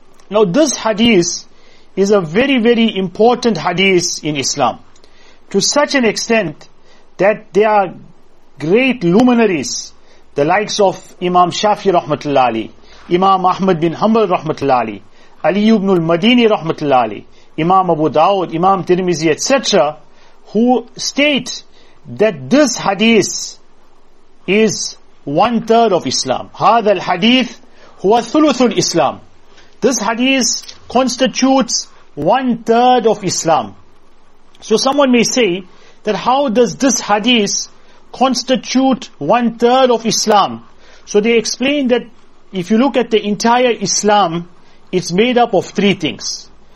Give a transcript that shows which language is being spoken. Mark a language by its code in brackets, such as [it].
[en] Now this hadith is a very, very important hadith in Islam, to such an extent that there are great luminaries, the likes of Imam Shafi rahmatullah ali, Imam Ahmad bin Hanbal rahmatullah ali, Ali ibn al-Madini rahmatullah ali, Imam Abu Dawud, Imam Tirmizi, etc., who state that this hadith is one third of Islam. [ar] هذا الحديث هو ثلث الإسلام. [en] This hadith constitutes one third of Islam. So someone may say that how does this hadith constitute one third of Islam? So they explain that if you look at the entire Islam, it's made up of three things.